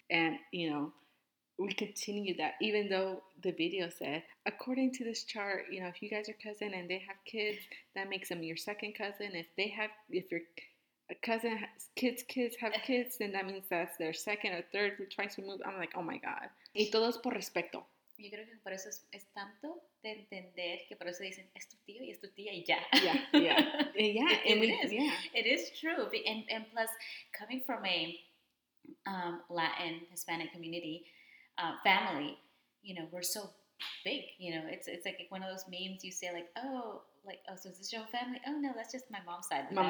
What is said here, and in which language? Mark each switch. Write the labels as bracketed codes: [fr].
[en] And, you know, we continue that, even though the video said, according to this chart, you know, if you guys are cousin and they have kids, that makes them your second cousin. If your cousin has kids have kids, then that means that's their second or third or twice removed. I'm like, oh, my God. [es] Y todo es por respeto. Yo creo que por eso es tanto de entender que por eso dicen, es tu tío y es tu tía y ya. [en] Yeah, yeah. It is true. And plus, coming from a Latin, Hispanic community, family, you know, we're so big. You know, it's like one of those memes you say, like, so is this your family? Oh, no, that's just my mom's side of the family.